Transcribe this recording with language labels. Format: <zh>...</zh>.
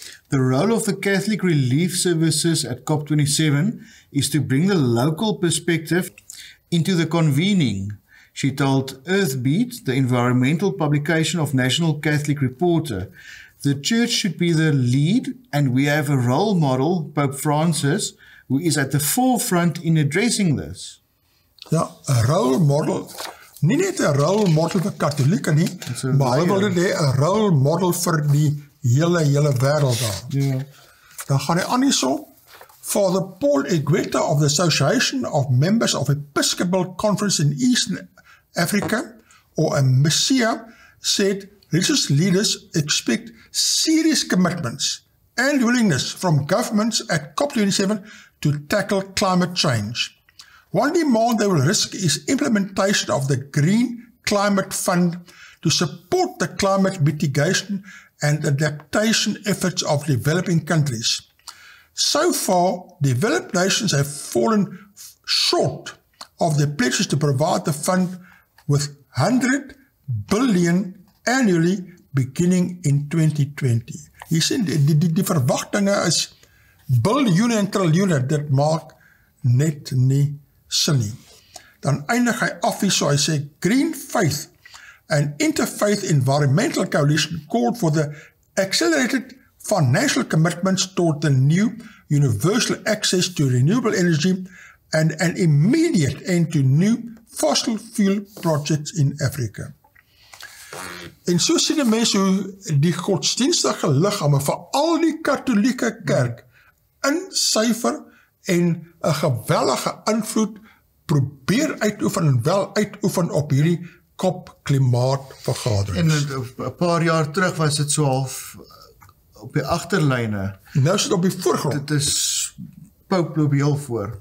<en>The role of the Catholic Relief Services at COP27 is to bring the local perspective into the convening. She told Earthbeat, the environmental publication of National Catholic Reporter, "The church should be the lead, and we have a role model, Pope Francis, who is at the forefront in addressing this." Ja, a role model.</en> <af>Nie net</af> <en>a role model</en> <af>vir katholieke nie, maar hy wil dit hê, a role model vir die hele wêreld daar. Dan gaan hy aan hierso.</af> <en>Father Paul Egweta of the Association of Members of Episcopal Conference in Eastern Africa, or a Messia, said religious leaders expect serious commitments and willingness from governments at COP27 to tackle climate change. One demand they will risk is implementation of the Green Climate Fund to support the climate mitigation and adaptation efforts of developing countries. So far, developed nations have fallen short of their pledges to provide the fund with 100 billion annually beginning in 2020. He said</en> <af>die verwagtinge is biljoene en triljoene, dit maak net nie sin nie. Dan eindig hy af hier, so hy sê,</af> <en>Green Faith, an interfaith environmental coalition called for the accelerated financial commitments toward the new universal access to renewable energy and an immediate end to new fossil fuel projects in Africa.</en> <af>En so sê die mense hoe die godsdienstige liggame vir al die katholieke kerk in syfer en 'n geweldige invloed probeer uitoefen en wel uitoefen op hierdie kop klimaatvergadering. En 'n paar jaar terug was dit so half op die agterlyne. Nou is dit op die voorgrond. Dit is Pope loop heel voor.</af>